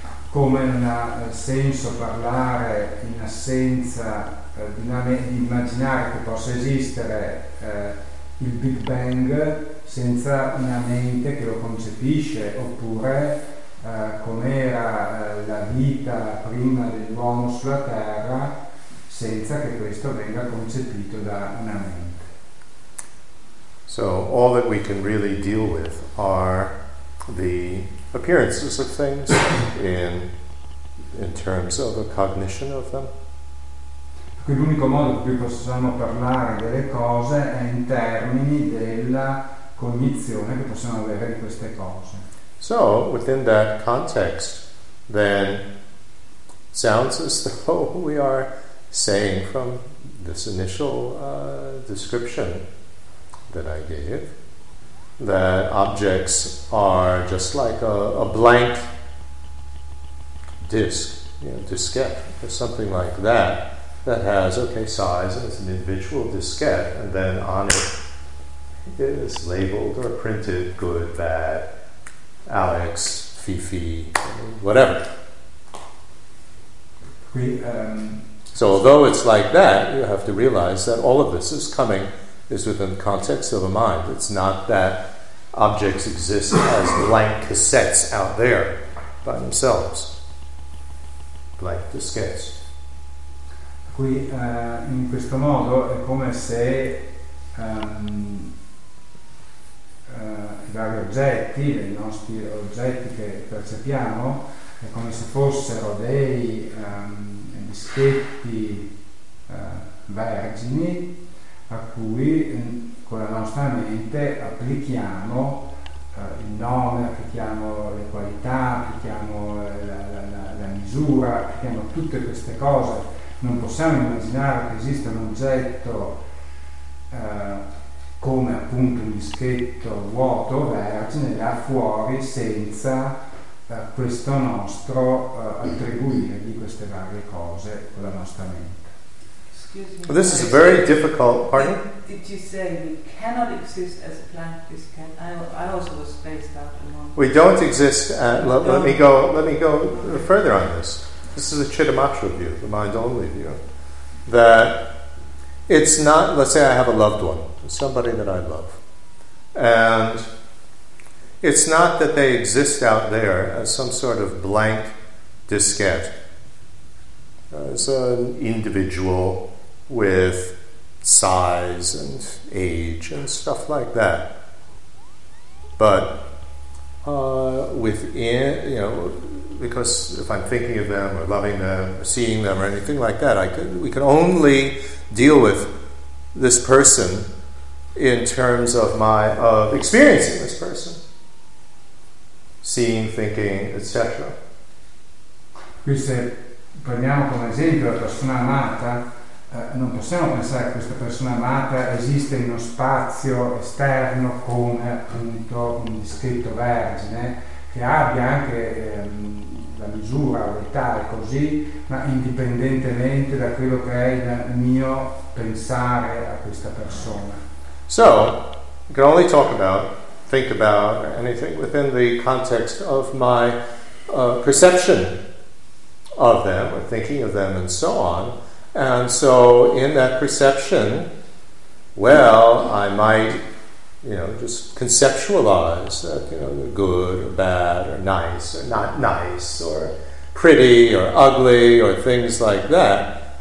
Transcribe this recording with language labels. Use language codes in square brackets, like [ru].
[it] come non ha senso parlare in assenza di una mente, di immaginare che possa esistere il Big Bang senza una mente che lo concepisce, oppure com'era la vita prima dell'uomo sulla Terra senza che questo venga concepito da una mente. [en] So all that we can really deal with are the appearances of things in terms of a cognition of them. [it] Quindi l'unico modo in cui possiamo parlare delle cose è in termini della cognizione che possiamo avere di queste cose. [en] So within that context, then sounds as though we are saying from this initial description that I gave, that objects are just like a blank disc, you know, diskette, or something like that, that has, okay, size, and it's an individual diskette, and then on it is labeled or printed good, bad, Alex, Fifi, whatever. So although it's like that, you have to realize that all of this is coming is within the context of a mind. It's not that objects exist as blank cassettes out there by themselves, blank diskettes. [it] Qui in questo modo è come se i vari oggetti, i nostri oggetti che percepiamo, è come se fossero dei dischetti vergini a cui con la nostra mente applichiamo il nome, applichiamo le qualità, applichiamo la misura, applichiamo tutte queste cose. Non possiamo immaginare che esista un oggetto come appunto un dischetto vuoto, vergine, là fuori, senza questo nostro attribuire di queste varie cose con la nostra mente. [en] This is a very difficult part. Did you say we cannot exist as a plant? I also was spaced out. We don't exist. Let me go further on this. This is a Chittamatra view, the mind-only view. That it's not, let's say I have a loved one, somebody that I love. And it's not that they exist out there as some sort of blank diskette, as an individual with size and age and stuff like that. But within, you know, because if I'm thinking of them or loving them or seeing them or anything like that, we can only deal with this person in terms of my experiencing this person, seeing, thinking, etc. [it] Qui se prendiamo come esempio la persona amata, non possiamo pensare che questa persona amata esiste in uno spazio esterno come appunto un descritto vergine che abbia anche la misura o l'età così, ma indipendentemente da quello che è il mio pensare a questa persona. [en] So, you can only talk about, think about, or anything within the context of my perception of them, or thinking of them, and so on. And so, in that perception, well, I might, you know, just conceptualize that, you know, they're good or bad or nice or not nice or pretty or ugly or things like that.